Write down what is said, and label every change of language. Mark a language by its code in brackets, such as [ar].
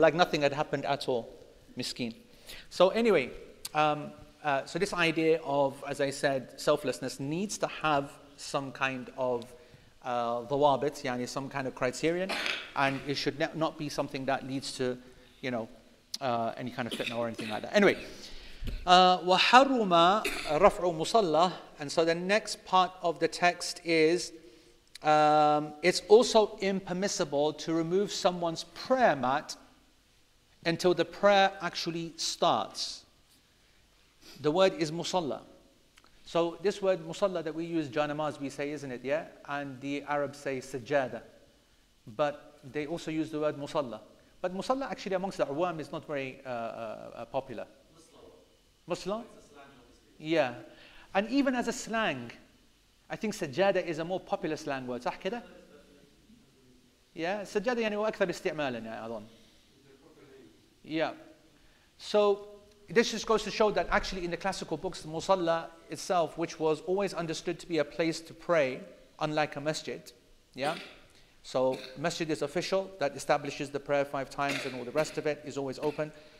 [en] Like nothing had happened at all. Miskin. So anyway, so this idea of, as I said, selflessness needs to have some kind of dhawabit, yani some kind of criterion, and it should not be something that leads to, you know, any kind of fitna or anything like that. [ar] Anyway, وَحَرُّمَ رَفْعُ مُصَلَّى. [en] And so the next part of the text is, it's also impermissible to remove someone's prayer mat until the prayer actually starts. The word is musalla. So this word musalla that we use, janamaz, we say, isn't it, yeah? And the Arabs say sajada. But they also use the word musalla. But musalla actually amongst the awam is not very popular. Muslim? Muslim? Yeah. And even as a slang, I think sajada is a more popular slang word. [ar] صح كده? Yeah, sajada يعني أكثر استعمالاً يعني أظن. [en] Yeah, so this just goes to show that actually in the classical books, the musalla itself, which was always understood to be a place to pray, unlike a masjid, yeah? So masjid is official, that establishes the prayer five times and all the rest of it is always open.